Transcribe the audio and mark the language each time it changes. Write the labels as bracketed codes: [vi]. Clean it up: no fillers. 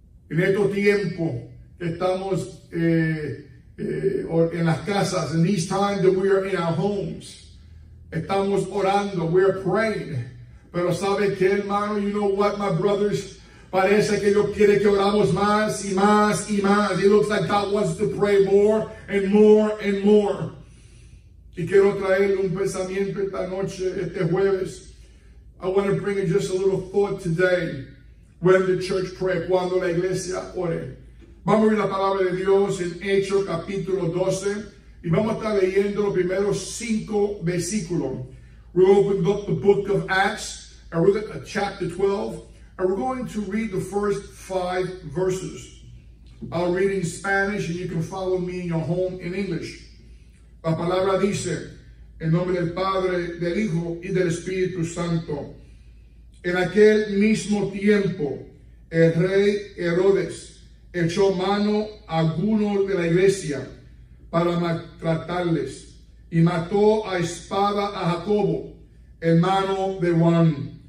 [es] En estos tiempos que estamos en las casas, [en] in these times that we are in our homes, [es] estamos orando, [en] we are praying. [es] Pero sabe que, hermano, [en] you know what, my brothers, [es] parece que Dios quiere que oramos más y más y más. [en] It looks like God wants to pray more and more and more. [es] Y quiero traerle un pensamiento esta noche, este jueves. [en] I want to bring in just a little thought today. When the church pray, [es] cuando la iglesia ore. Vamos a ver la palabra de Dios en Hechos capítulo 12. Y vamos a estar leyendo los primeros cinco versículos. [en] We opened up the book of Acts, and we're at chapter 12. And we're going to read the first five verses. I'll read in Spanish, and you can follow me in your home in English. [es] La palabra dice, en nombre del Padre, del Hijo y del Espíritu Santo. En aquel mismo tiempo, el rey Herodes echó mano a algunos de la iglesia para maltratarles y mató a espada a Jacobo, hermano de Juan.